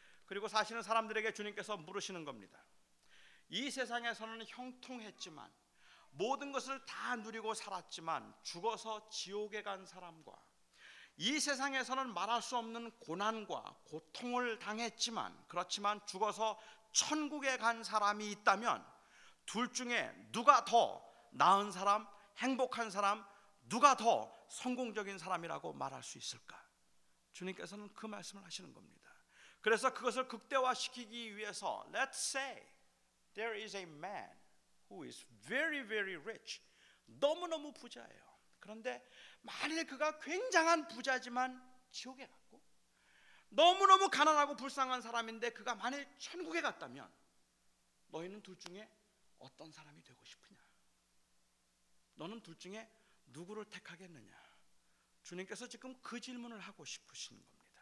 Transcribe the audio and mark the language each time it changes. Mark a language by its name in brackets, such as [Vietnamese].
[Korean] 그리고 사실은 사람들에게 주님께서 물으시는 겁니다. 이 세상에서는 형통했지만 모든 것을 다 누리고 살았지만 죽어서 지옥에 간 사람과 이 세상에서는 말할 수 없는 고난과 고통을 당했지만 그렇지만 죽어서 천국에 간 사람이 있다면 둘 중에 누가 더 나은 사람, 행복한 사람, 누가 더 성공적인 사람이라고 말할 수 있을까? 주님께서는 그 말씀을 하시는 겁니다. 그래서 그것을 극대화시키기 위해서 [English] Let's say there is a man who is very, very rich. [Korean] 너무너무 부자예요. 그런데 만일 그가 굉장한 부자지만 지옥에 갔고 너무너무 가난하고 불쌍한 사람인데 그가 만일 천국에 갔다면 너희는 둘 중에 어떤 사람이 되고 싶으냐? 너는 둘 중에 누구를 택하겠느냐? 주님께서 지금 그 질문을 하고 싶으신 겁니다.